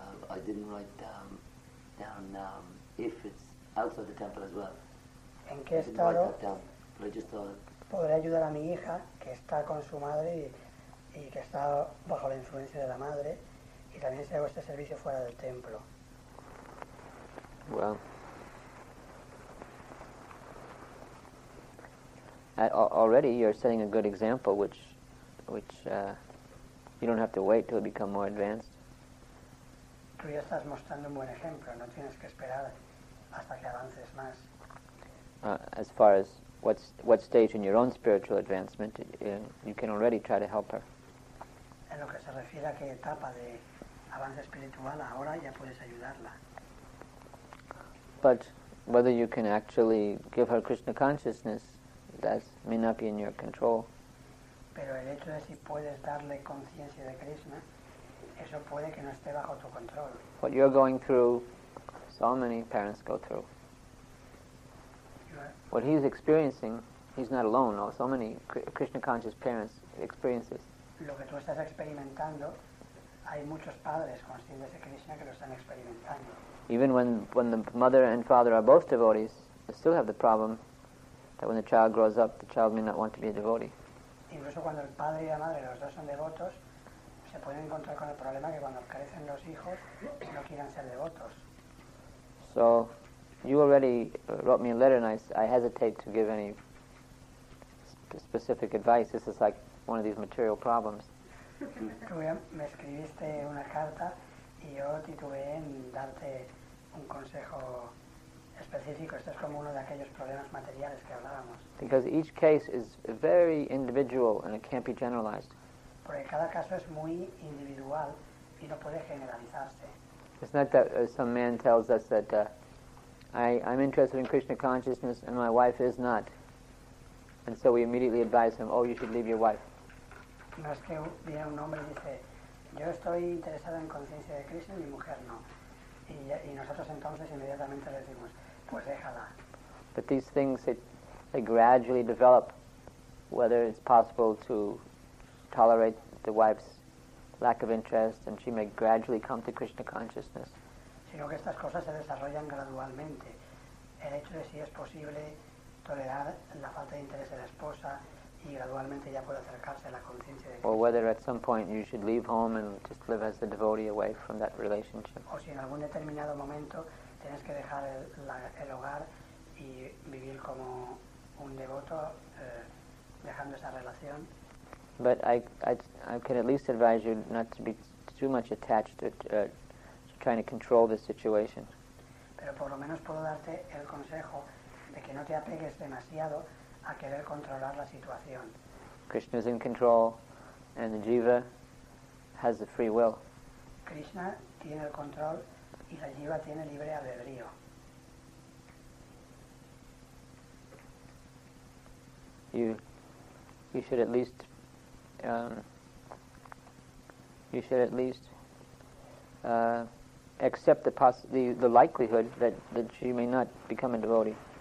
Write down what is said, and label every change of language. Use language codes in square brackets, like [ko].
[en] I didn't write down if it's outside the temple as well. [es] ¿En qué estado...? [en] But I just thought... [es] Podré ayudar a mi hija, que está con su madre y que está bajo la influencia de la madre, y también si hago este servicio fuera del templo. [en] Well, already you're setting a good example, which you don't have to wait till it become more advanced. [es] Tú ya estás mostrando un buen ejemplo, no tienes que esperar hasta que avances más. [en] As far as what stage in your own spiritual advancement you can already try to help her. [es] En lo que se refiere a qué etapa de avance espiritual ahora ya puedes ayudarla. [en] But whether you can actually give her Krishna consciousness, that may not be in your control. [es] Pero el hecho de si puedes darle conciencia de Krishna, eso puede que no esté bajo tu control. [en] What you're going through, so many parents go through. What he's experiencing, he's not alone. No? So many Krishna conscious parents experience this. [es] Lo que tú estás experimentando, hay muchos padres conscientes de Krishna que lo están experimentando. [en] Even when the mother and father are both devotees, they still have the problem that when the child grows up, the child may not want to be a devotee. [es] Incluso cuando el padre y la madre, los dos son devotos, se pueden encontrar con el problema que cuando crecen los hijos, no quieran ser devotos. [en] So... You already wrote me a letter and I hesitate to give any specific advice. This is like one of these material problems. [es] Tú me escribiste una carta y yo titubeé en darte un consejo específico. Esto es como uno de aquellos problemas materiales que hablábamos. [en] Because each case is very individual and it can't be generalized. [es] Porque cada caso es muy individual y no puede generalizarse. [en] It's not that some man tells us that... I'm interested in Krishna consciousness and my wife is not. And so we immediately advise him, oh, you should leave your wife. [es] No es que viene un hombre y dice, yo estoy interesado en conciencia de Krishna y mi mujer no. Y nosotros entonces inmediatamente le decimos, pues déjala. [en] But these things, they gradually develop, whether it's possible to tolerate the wife's lack of interest and she may gradually come to Krishna consciousness. [es] Sino que estas cosas se desarrollan gradualmente. El hecho de si es posible tolerar la falta de interés de la esposa y gradualmente ya puede acercarse a la conciencia de Cristo. [en] Or whether at some point you should leave home and just live as a devotee away from that relationship. [es] O si en algún determinado momento tienes que dejar el hogar y vivir como un devoto dejando esa relación. [en] But I can at least advise you not to be too much attached to trying to control the situation. [es] Pero por lo menos puedo darte el consejo de que no te apegues demasiado a querer controlar la situación. [en] Krishna is in control and the jiva has the free will. [es] Krishna tiene el control y la jiva tiene libre albedrío. [en] You should at least accept the likelihood that she may not become a devotee.